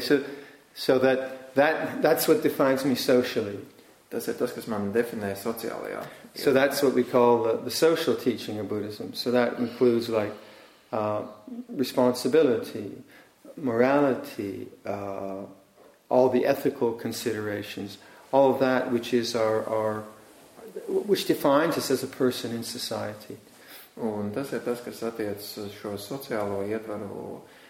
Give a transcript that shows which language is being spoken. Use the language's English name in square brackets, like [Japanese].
[English] So that's what defines me socially. [Latvian] Tas ir tas, kas man definē sociālajā. [English] So that's what we call the social teaching of Buddhism. So that includes like responsibility, morality, all the ethical considerations, all of that which is our which defines us as a person in society. [Latvian] Un tas ir tas, kas attiec uz šo sociālo ietvaru,